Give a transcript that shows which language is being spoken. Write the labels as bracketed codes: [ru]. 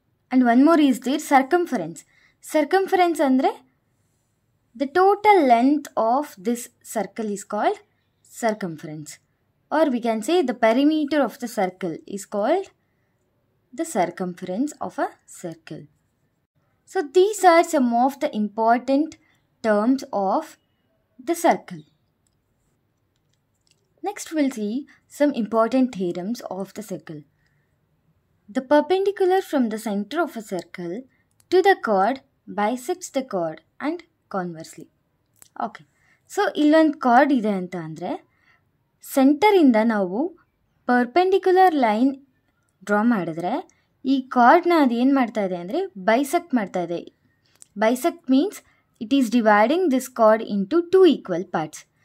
[en] And one more is there circumference. Circumference ಅಂದರೆ the total length of this circle is called circumference, or we can say the perimeter of the circle is called the circumference of a circle. So these are some of the important terms of the circle. Next will see some important theorems of the circle. The perpendicular from the center of a circle to the chord bisects the chord and conversely. Okay, so [kn] ಇಲ್ಲೊಂದು card ಇದೆ ಅಂತ ಅಂದರೆ ಸೆಂಟರಿಂದ ನಾವು perpendicular line draw ಮಾಡಿದ್ರೆ ಈ ಕಾರ್ಡ್ನ ಅದು ಏನು ಮಾಡ್ತಾ ಇದೆ ಅಂದರೆ ಬೈಸೆಕ್ಟ್ ಮಾಡ್ತಾ ಇದೆ. [en] Bisect means it is dividing this chord into two equal parts.